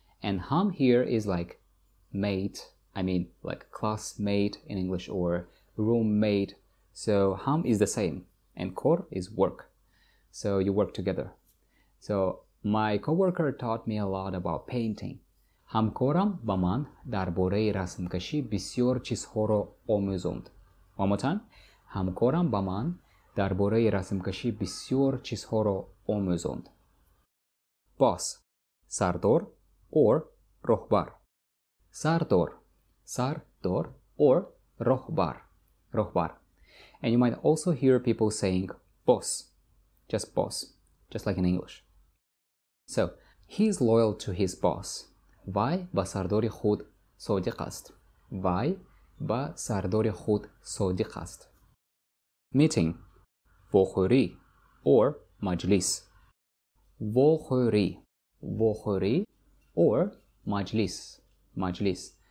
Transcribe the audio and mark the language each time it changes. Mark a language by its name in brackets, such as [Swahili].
[English] And ҳам here is like mate. I mean, like classmate in English or roommate. So, ham is the same, and kor is work. So, you work together. So, my coworker taught me a lot about painting. [Tajik] Ҳамкорам ба ман дарбораи расмкашӣ бисёр чизҳоро омӯзонд. [English] One more time. [Tajik] Ҳамкорам ба ман дарбораи расмкашӣ бисёр чизҳоро омӯзонд. Boss. Сардор or роҳбар. Сардор. Сардор or роҳбар. Роҳбар. [English] And you might also hear people saying boss, just like in English. So, he is loyal to his boss. [Tajik] Вай ба сардори худ содиқ аст. Вай ба сардори худ содиқ аст. Meeting. Вохӯрӣ or маҷлис. Вохӯрӣ. Вохӯрӣ or маҷлис. Маҷлис.